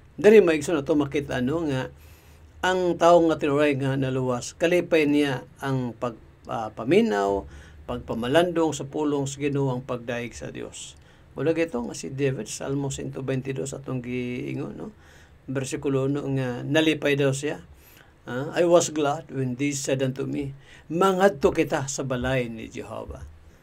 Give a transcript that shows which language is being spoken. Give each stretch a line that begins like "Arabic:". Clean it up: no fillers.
Cebuano: Diri maigsoon ato makita no nga ang taong nga tinuray nga naluwas kalipay niya ang pagpaminaw, pagpamalandong sa pulong sa Ginoo, ang pagdayeg sa Dios. Wala gito nga si David, Salmo 122 sa itong giingo, no? Versikulo no, nga, nalipay daw siya.
English: I was glad when this said unto me,
Cebuano: mangadto kita sa balay ni Jehovah.